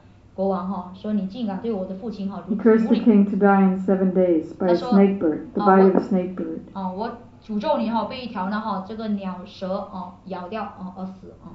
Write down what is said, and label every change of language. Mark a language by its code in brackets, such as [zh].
[zh] 所以他就用一些水净化之后，他就诅咒国王，说你竟敢对我的父亲。 [en] He cursed the king to die in 7 days by a snake bird, the bite of a snake bird. [zh] 我诅咒你被一条鸟蛇咬掉而死。